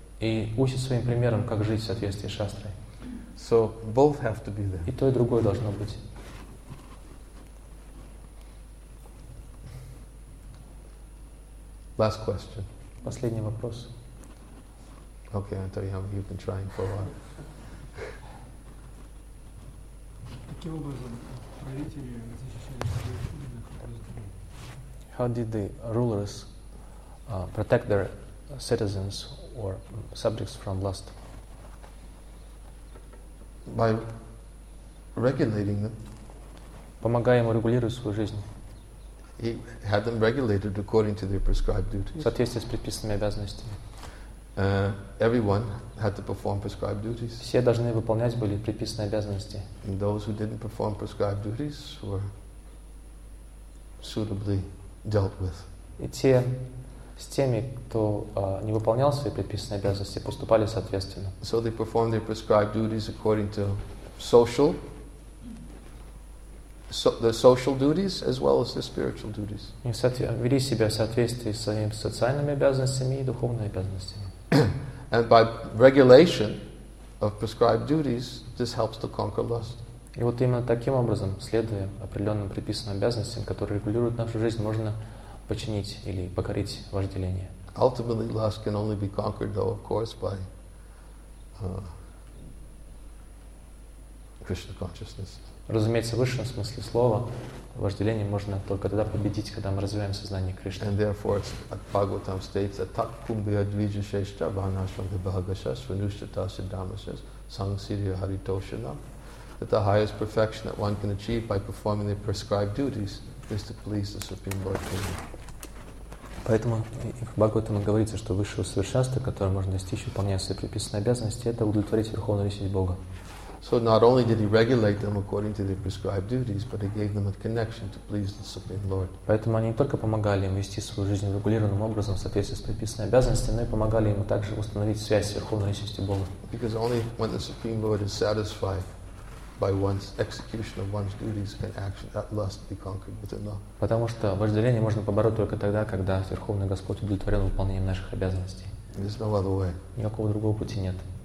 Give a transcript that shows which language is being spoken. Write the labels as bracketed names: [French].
[Russian] И учит своим примером, как жить в соответствии с шастрой. [English] So both have to be there. [Russian] И то, и другое должно быть. [English] Last question. [Russian] Последний вопрос. [English] Okay, Antonio, you've been trying for a while. [Russian] Каким образом правители защищали свои? [English] How did the rulers protect their citizens or subjects from lust? By regulating them. [Russian] Помогая ему регулировать свою жизнь. [English] He had them regulated according to their prescribed duties. [Russian] В соответствии с предписанными обязанностями. [English] Everyone had to perform prescribed duties. [Russian] Все должны выполнять были предписанные обязанности. [English] And those who didn't perform prescribed duties were suitably dealt with. [Russian] И те, с теми, кто не выполнял свои предписанные обязанности, поступали соответственно. [English] So they performed their prescribed duties according to social. So the social duties as well as the spiritual duties. [Russian] И вели себя в соответствии с своими социальными обязанностями и духовными обязанностями. [English] And by regulation of prescribed duties, this helps to conquer lust. [Russian] И вот именно таким образом, следуя определенным предписанным обязанностям, которые регулируют нашу жизнь, можно починить или покорить вожделение. [English] Ultimately, lust can only be conquered, though, of course, by Krishna consciousness. [Russian] Разумеется, в высшем смысле слова вожделение можно только тогда победить, когда мы развиваем сознание Кришны. [English] And therefore, at Bhagavatam states, [Sanskrit] atak kumbhya dvijashashtra vanashram vibhagasya svanushtata siddhamasya sangsiriya haritoshana, [English] that the highest perfection that one can achieve by performing the prescribed duties is to please the Supreme Lord Krishna. [Russian] Поэтому в Бхагаватаме говорится, что высшее совершенство, которое можно достичь, выполняя свои предписанные обязанности, это удовлетворить Верховную Личность Бога. [English] So not only did he regulate them according to their prescribed duties, but he gave them a connection to please the Supreme Lord. [Russian] Поэтому они не только помогали им вести свою жизнь регулированным образом в соответствии с предписанной обязанностью, но и помогали им также установить связь с Верховной Личностью Бога. [English] Because only when the Supreme Lord is satisfied by one's execution of one's duties can action that lust be conquered within them. [Russian] Потому что вожделение можно побороть только тогда, когда Верховный Господь удовлетворен выполнением наших обязанностей. [English] There's no other way. [Russian] Никакого другого пути нет.